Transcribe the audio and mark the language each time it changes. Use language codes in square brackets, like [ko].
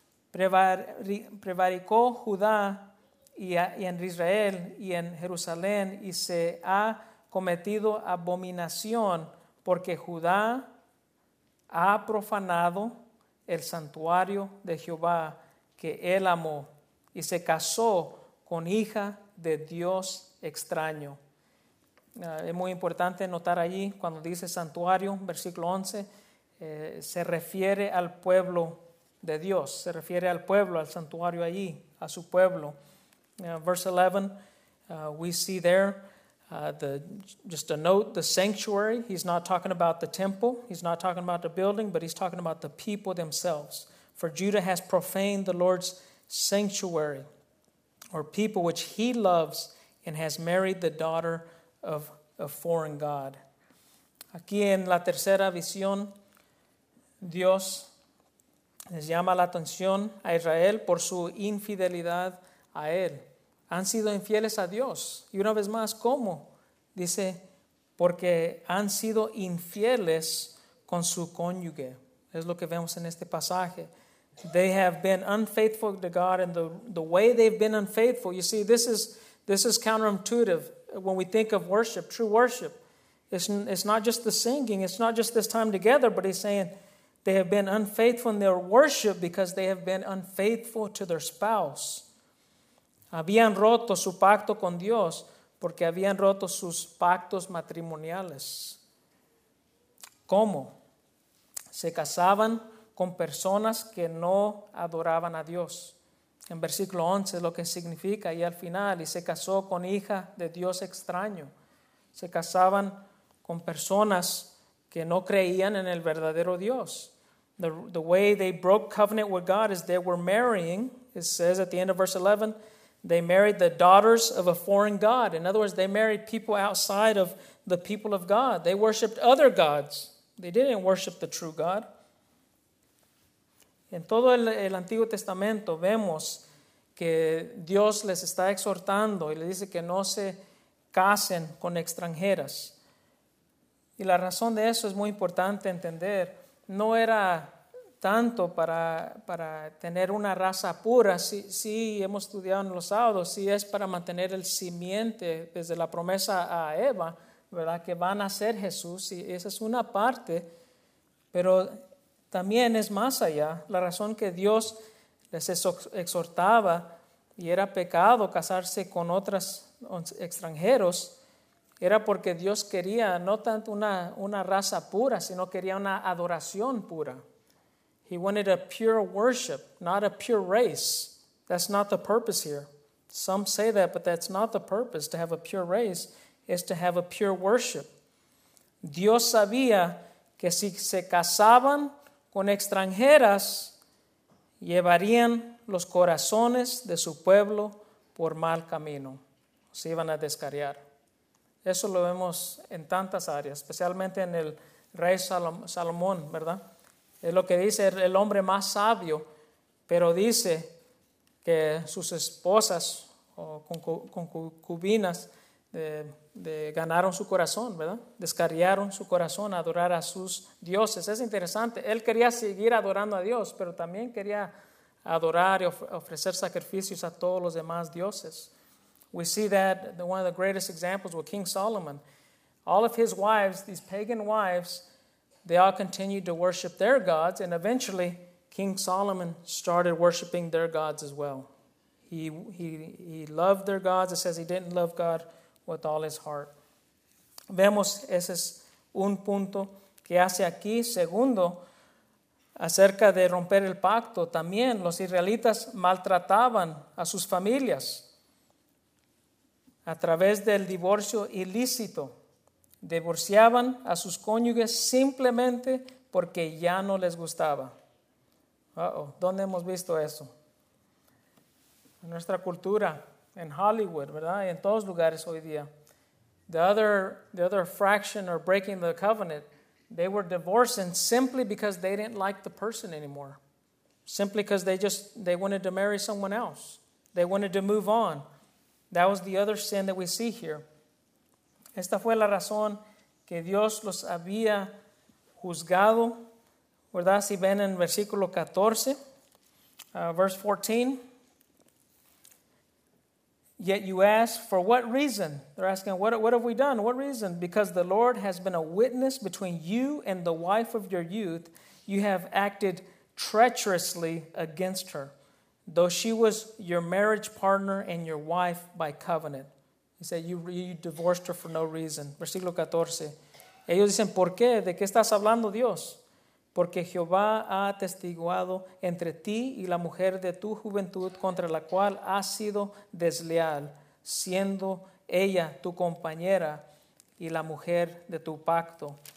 [es] Prevaricó Judá y en Israel y en Jerusalén, y se ha cometido abominación porque Judá ha profanado el santuario de Jehová que él amó y se casó con hija de Dios extraño. Es muy importante notar allí cuando dice santuario, versículo 11, se refiere al pueblo de Dios, se refiere al pueblo, al santuario allí, a su pueblo. [en] Verse 11, we see there just a note, the sanctuary. He's not talking about the temple. He's not talking about the building, but he's talking about the people themselves. For Judah has profaned the Lord's sanctuary, or people which he loves, and has married the daughter of a foreign god. [es] Aquí en la tercera visión, Dios les llama la atención a Israel por su infidelidad a él. Han sido infieles a Dios. Y una vez más, ¿cómo? Dice, porque han sido infieles con su cónyuge. Es lo que vemos en este pasaje. [en] They have been unfaithful to God, and the way they've been unfaithful. You see, this is counterintuitive when we think of worship, true worship. It's not just the singing. It's not just this time together. But he's saying they have been unfaithful in their worship because they have been unfaithful to their spouse. [es] Habían roto su pacto con Dios porque habían roto sus pactos matrimoniales. ¿Cómo? Se casaban con personas que no adoraban a Dios. En versículo 11 es lo que significa y al final. Y se casó con hija de Dios extraño. Se casaban con personas que no creían en el verdadero Dios. [en] The way they broke covenant with God is they were marrying, it says at the end of verse 11, they married the daughters of a foreign god. In other words, they married people outside of the people of God. They worshipped other gods. They didn't worship the true God. [es] En todo el Antiguo Testamento vemos que Dios les está exhortando y les dice que no se casen con extranjeras. Y la razón de eso es muy importante entender. No era tanto para tener una raza pura, sí hemos estudiado en los sábados, sí es para mantener el simiente desde la promesa a Eva, ¿verdad? Que van a ser Jesús, y esa es una parte, pero también es más allá. La razón que Dios les exhortaba y era pecado casarse con otros extranjeros, era porque Dios quería no tanto una raza pura, sino quería una adoración pura. [en] He wanted a pure worship, not a pure race. That's not the purpose here. Some say that, but that's not the purpose. To have a pure race is to have a pure worship. [es] Dios sabía que si se casaban con extranjeras, llevarían los corazones de su pueblo por mal camino. Se iban a descarriar. Eso lo vemos en tantas áreas, especialmente en el rey Salomón, ¿verdad? Es lo que dice el hombre más sabio, pero dice que sus esposas o concubinas ganaron su corazón, ¿verdad? Descarriaron su corazón a adorar a sus dioses. Es interesante, él quería seguir adorando a Dios, pero también quería adorar y ofrecer sacrificios a todos los demás dioses. [en] We see that one of the greatest examples with King Solomon. All of his wives, these pagan wives, they all continued to worship their gods, and eventually King Solomon started worshiping their gods as well. He loved their gods. It says he didn't love God with all his heart. [es] Vemos, ese es un punto que hace aquí. Segundo, acerca de romper el pacto, también los israelitas maltrataban a sus familias a través del divorcio ilícito. Divorciaban a sus cónyuges simplemente porque ya no les gustaba. ¿Dónde hemos visto eso? En nuestra cultura, en Hollywood, ¿verdad? Y en todos lugares hoy día. [en] The other fraction or breaking the covenant, they were divorcing simply because they didn't like the person anymore. Simply because they wanted to marry someone else. They wanted to move on. That was the other sin that we see here. [es] Esta fue la razón que Dios los había juzgado, ¿verdad? Si ven en versículo 14, [en] verse 14. Yet you ask, for what reason? They're asking, what have we done? What reason? Because the Lord has been a witness between you and the wife of your youth. You have acted treacherously against her, though she was your marriage partner and your wife by covenant. He said, you divorced her for no reason. [es] Versículo 14. Ellos dicen, ¿por qué? ¿De qué estás hablando, Dios? Porque Jehová ha atestiguado entre ti y la mujer de tu juventud contra la cual has sido desleal, siendo ella tu compañera y la mujer de tu pacto.